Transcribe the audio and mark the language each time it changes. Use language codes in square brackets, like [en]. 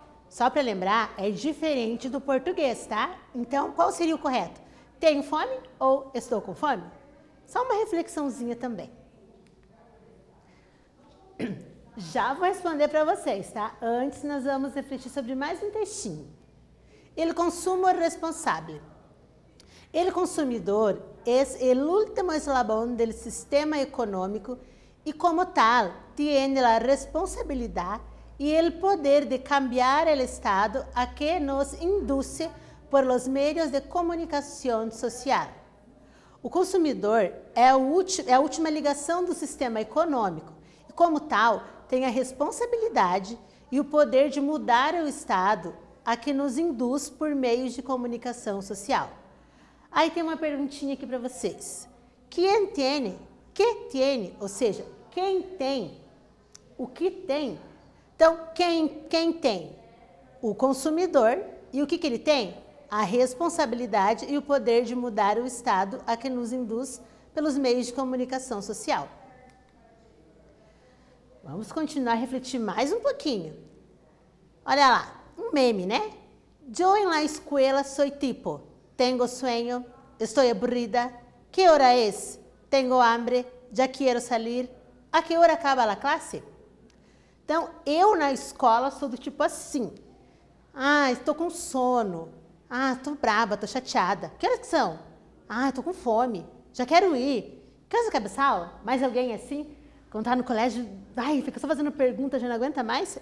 [pt] Só para lembrar, é diferente do português, tá? Então, qual seria o correto? Tenho fome ou estou com fome? Só uma reflexãozinha também. Já vou responder para vocês, tá? Antes, nós vamos refletir sobre mais um textinho. [es] El consumo responsable. El consumidor es el último eslabón del sistema económico y como tal tiene la responsabilidad y el poder de cambiar el estado a que nos induce por los medios de comunicación social. [pt] O consumidor é a última ligação do sistema econômico e como tal tem a responsabilidade e o poder de mudar o estado a que nos induz por meios de comunicação social. Aí tem uma perguntinha aqui para vocês. Quem tem? Que tem? Ou seja, quem tem? O que tem? Então, quem tem? O consumidor. E o que, que ele tem? A responsabilidade e o poder de mudar o estado a que nos induz pelos meios de comunicação social. Vamos continuar a refletir mais um pouquinho. Olha lá. Um meme, né? [es] Yo en la escuela soy tipo, tengo sueño, estoy aburrida, ¿qué hora es? Tengo hambre, ya quiero salir, ¿a qué hora acaba la clase? [pt] Então, eu na escola sou do tipo assim, estou com sono, estou brava, estou chateada, que horas que são? Estou com fome, já quero ir, que horas acaba essa aula? Mais alguém assim? Quando está no colégio, fica só fazendo pergunta, já não aguenta mais?